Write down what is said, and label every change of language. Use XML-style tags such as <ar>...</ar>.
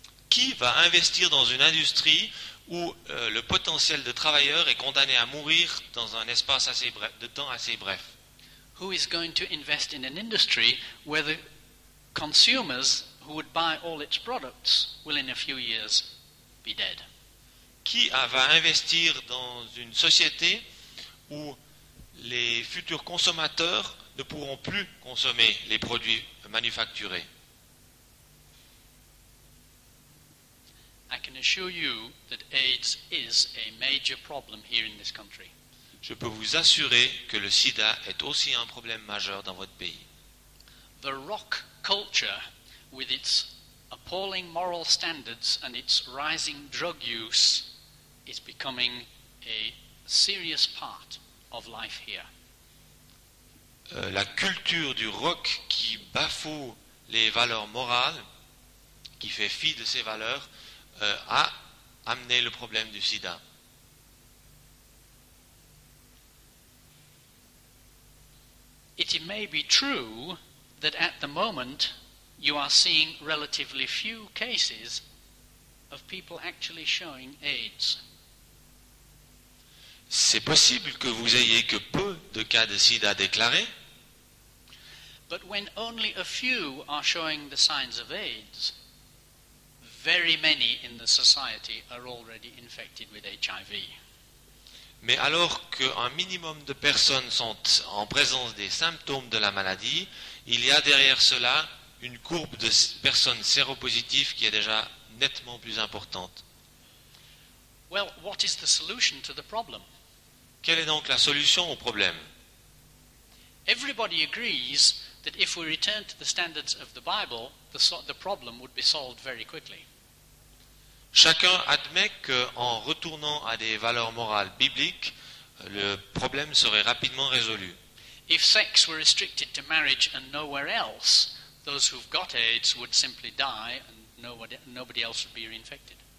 <fr>Qui va investir dans une industrie où le potentiel de travailleurs est condamné à mourir dans un espace assez bref, de temps assez bref?</fr> <en>Who is going to invest in an industry where the consumers who would buy all its products will in a few years be dead?</en> <fr>Qui va investir dans une société où les futurs consommateurs ne pourront plus consommer les produits manufacturés?</fr> <en>I can assure you that AIDS is a major problem here in this country.</en> <fr>Je peux vous assurer que le sida est aussi un problème majeur dans votre pays.</fr> <en>The rock culture with its appalling moral standards and its rising drug use is becoming a serious part of life here.</en> <fr>La culture du rock qui bafoue les valeurs morales, qui fait fi de ces valeurs, a amené le problème du sida.</fr> <en>It may be true that at the moment you are seeing relatively few cases of people actually showing AIDS.</en> <fr>C'est possible que vous ayez que peu de cas de sida déclarés.</fr> <en>But when only a few are showing the signs of AIDS, very many in the society are already infected with HIV.</en> <fr>Mais alors qu'un minimum de personnes sont en présence des symptômes de la maladie, il y a derrière cela une courbe de personnes séropositives qui est déjà nettement plus importante.</fr> <en>Well, what is the solution to the problem?</en> <fr>Quelle est donc la solution au problème?</fr> <en>Everybody agrees that if we return to the standards of the Bible, the problem would be solved very quickly.</en> <fr>Chacun admet qu'en retournant à des valeurs morales bibliques, le problème serait rapidement résolu.</fr> <en>If sex were restricted to marriage and nowhere else, those who've got AIDS would simply die and nobody else would be reinfected.</en>